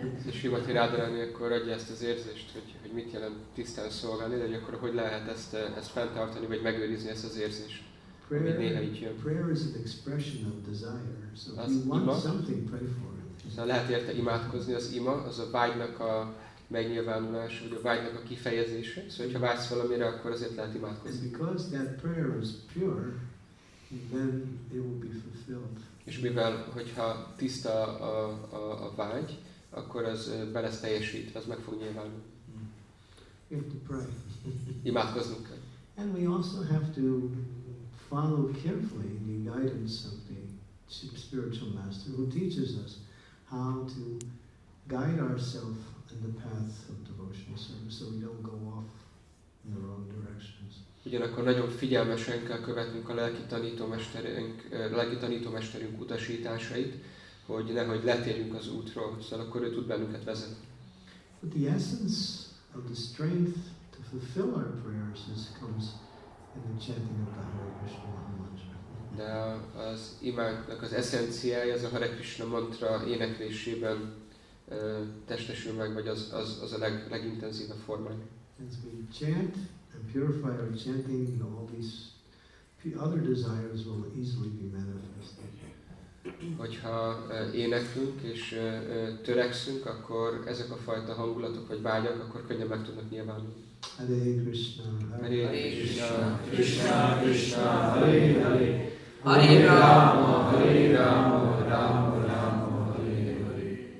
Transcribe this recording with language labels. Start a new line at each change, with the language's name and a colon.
Hungarian: Srimati Radharani akkor adja ezt az érzést, hogy mit jelent tisztán szolgálni, de akkor hogy lehet ezt fenntartani, vagy megőrizni ezt az érzést, ami néha így jön.
English: Prayer is an expression of desire, so if you want something, pray for it.
Hungarian: Szóval lehet érte imádkozni, az ima, az a vágynak a megnyilvánulás, vagy a vágynak a kifejezése. Szóval, hogyha vágysz valamire, akkor azért lehet imádkozni.
English: And because that prayer is pure, then it will be fulfilled.
Hungarian: És mivel, hogyha tiszta a vágy, akkor az be lesz teljesítve, az meg fog nyilvánulni.
English: We have to pray.
Hungarian: Imádkoznunk kell.
English: And we also have to follow carefully the guidance of the spiritual master who teaches us how to guide ourselves in the path of devotional service, so we don't go off in the wrong directions.
Hungarian: Ugyanakkor nagyon figyelmesen kell követnünk a lelki tanítómesterünk utasításait, hogy nehogy letérjünk az útról, szóval akkor ő tud bennünket vezetni.
English: But the essence of the strength to fulfill our prayers comes in the chanting of the Hare Krishna mantra.
Hungarian: De az imádnak az eszenciája az a Hare Krishna mantra éneklésében testesül meg, vagy az a legintenzívebb formája.
English: As we chant and purify our chanting, you know, all these other desires will easily be manifested.
Hungarian: Hogyha éneklünk és törekszünk, akkor ezek a fajta hangulatok vagy vágyak, akkor könnyen meg tudnak nyilvánulni.
Sanskrit: Hare Krishna, Hare Krishna, Krishna Krishna, Hare Hare, Hare Rama, Hare Rama, Rama Rama, Hare Hare.